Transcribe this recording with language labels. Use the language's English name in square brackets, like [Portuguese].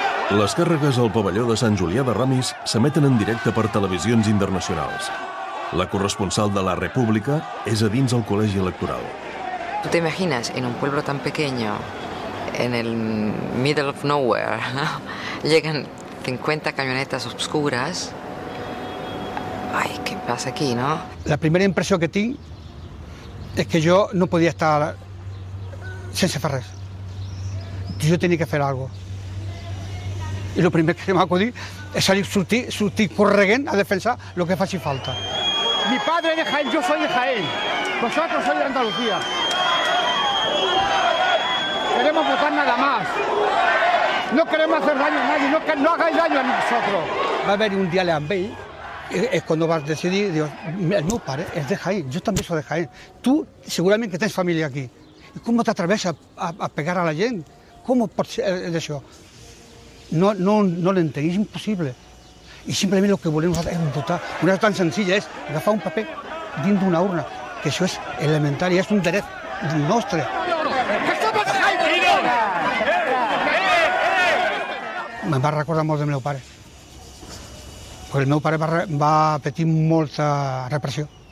[Catalan] Les càrregues al pavelló de Sant Julià de Ramis s'emeten en directe per televisions internacionals. La corresponsal de La República és a dins el col·legi electoral. [Spanish] ¿Tú te imaginas en un pueblo tan pequeño, en el [English] middle of nowhere, [Spanish] llegan 50 camionetas obscuras? Ay, ¿qué pasa aquí, no? La primera impresión que tengo es que yo no podía estar [Catalan] sense fer res. [Spanish] Yo tenía que hacer algo. Y lo primero que se me ha acudido es salir, [Catalan] sortir corregent a defensar lo que faci falta. [Spanish] Mi padre de Jaén, yo soy de Jaén. Vosotros sois de Andalucía. Queremos votar nada más. No queremos hacer daño a nadie, no hagáis daño a nosotros. Va a haber un diálogo [Catalan] amb ell. [Spanish] Es cuando vas a decidir, Dios, [Catalan] el meu pare [Spanish] es de Jaén, yo también soy de Jaén. Tú seguramente que [Catalan] tens [Spanish] familia aquí. ¿Y cómo te atreves a pegar a la gente? ¿Cómo por eso? No lo [Catalan] entenc, [Spanish] es imposible. Y simplemente lo que [Catalan] volem nosaltres [Spanish] es votar. [Catalan] Una cosa tan senzilla es agafar un paper dins d'una urna, que això és elementari, és un dret nostre. Me va recordar molt del meu pare. [Spanish] Porque [Catalan] el meu pare va patir molta repressió.